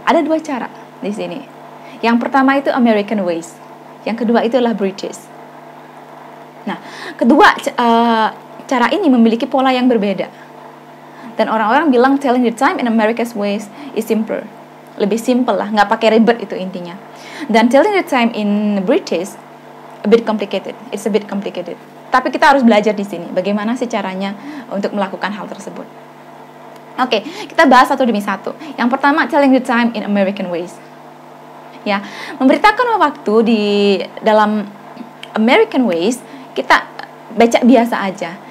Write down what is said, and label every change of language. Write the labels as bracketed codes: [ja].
[id] Ada dua cara di sini. Yang pertama itu American ways. Yang kedua itulah British. Nah, kedua cara ini memiliki pola yang berbeda. Dan orang-orang bilang [en] telling the time in America's ways is simpler. [id] Lebih simple lah, nggak pakai ribet itu intinya. Dan [en] telling the time in British, a bit complicated. It's a bit complicated. [id] Tapi kita harus belajar di sini, bagaimana sih caranya untuk melakukan hal tersebut. Oke, kita bahas satu demi satu. Yang pertama, [en] telling the time in American ways. [id] Ya, memberitakan waktu di dalam American ways, kita baca biasa aja.